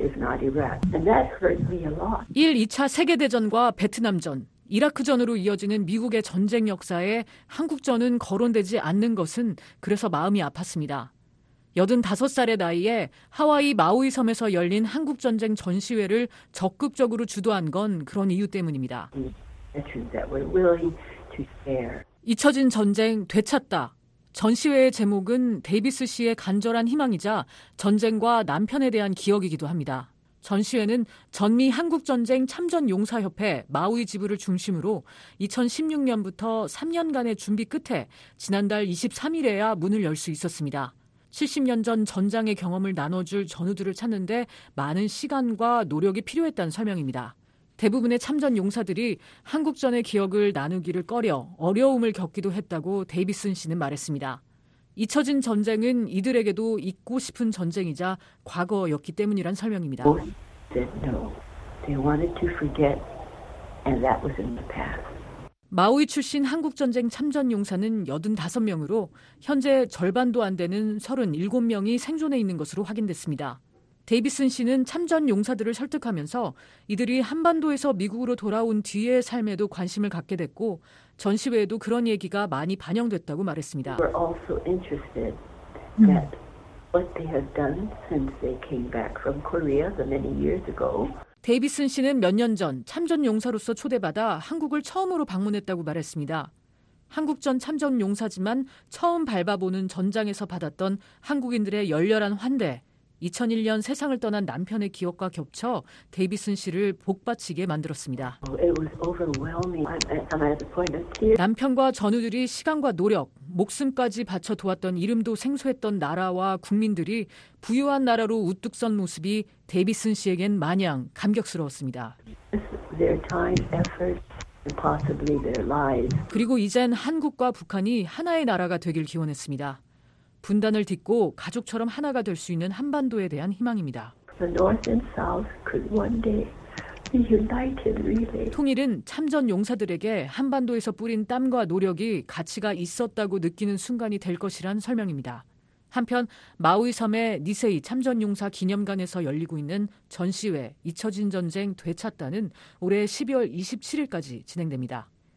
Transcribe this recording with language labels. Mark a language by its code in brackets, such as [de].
[en] World War II, and they jumped to the Vietnam War, if not Iraq, and that hurt me a lot. [ko] 1, 2차 세계대전과 베트남전, 이라크전으로 이어지는 미국의 전쟁 역사에 한국전은 거론되지 않는 것은 그래서 마음이 아팠습니다. 85살의 나이에 하와이 마우이 섬에서 열린 한국전쟁 전시회를 적극적으로 주도한 건 그런 이유 때문입니다. 잊혀진 전쟁 되찾다. 전시회의 제목은 데이비스 씨의 간절한 희망이자 전쟁과 남편에 대한 기억이기도 합니다. 전시회는 전미 한국전쟁 참전용사협회 마우이 지부를 중심으로 2016년부터 3년간의 준비 끝에 지난달 23일에야 문을 열 수 있었습니다. 70년 전 전장의 경험을 나눠줄 전우들을 찾는데 많은 시간과 노력이 필요했다는 설명입니다. 대부분의 참전 용사들이 한국전의 기억을 나누기를 꺼려 어려움을 겪기도 했다고 데이비슨 씨는 말했습니다. 잊혀진 전쟁은 이들에게도 잊고 싶은 전쟁이자 과거였기 때문이란 설명입니다. [en] They wanted to forget, and that was in the past. [ko] 마우이 출신 한국전쟁 참전 용사는 85명으로 현재 절반도 안 되는 37명이 생존해 있는 것으로 확인됐습니다. 데이비슨 씨는 참전 용사들을 설득하면서 이들이 한반도에서 미국으로 돌아온 뒤의 삶에도 관심을 갖게 됐고 전시회에도 그런 얘기가 많이 반영됐다고 말했습니다. [en] We're also interested that what they have done since they came back from Korea the many years ago. [ko] 데이비슨 씨는 몇 년 전 참전용사로서 초대받아 한국을 처음으로 방문했다고 말했습니다. 한국전 참전용사지만 처음 밟아보는 전장에서 받았던 한국인들의 열렬한 환대, 2001년 세상을 떠난 남편의 기억과 겹쳐 데이비슨 씨를 복받치게 만들었습니다. 남편과 전우들이 시간과 노력, 목숨까지 바쳐 도왔던 이름도 생소했던 나라와 국민들이 부유한 나라로 우뚝 선 모습이 데이비슨 씨에겐 마냥 감격스러웠습니다. 그리고 이젠 한국과 북한이 하나의 나라가 되길 기원했습니다. 분단을 딛고 가족처럼 하나가 될 수 있는 한반도에 대한 희망입니다. [en] The North and South could one day be united, really. [ko] 통일은 참전 용사들에게 한반도에서 뿌린 땀과 노력이 가치가 있었다고 느끼는 순간이 될 것이란 설명입니다. 한편 마우이섬의 니세이 참전용사 기념관에서 열리고 있는 전시회 잊혀진 전쟁 되찾다는 올해 12월 27일까지 진행됩니다.